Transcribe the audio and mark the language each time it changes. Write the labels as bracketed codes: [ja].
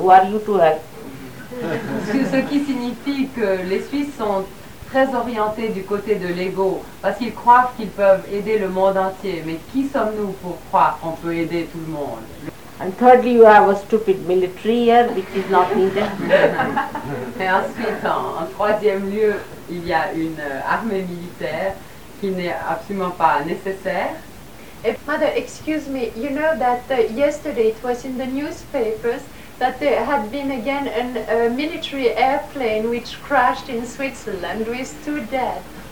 [en] Who are you to help? [fr] Ce qui signifie que les Suisses sont très orientés du côté de l'ego parce qu'ils croient qu'ils peuvent aider le monde entier. Mais qui sommes-nous pour croire qu'on peut aider tout le monde? [en] And thirdly, you have a stupid military here, which is not needed. [fr] Et ensuite, en troisième lieu, il y a une armée militaire qui n'est absolument pas nécessaire. [en] Mother, excuse me, you know that yesterday it was in the newspapers that there had been again a military airplane which crashed in Switzerland with two dead.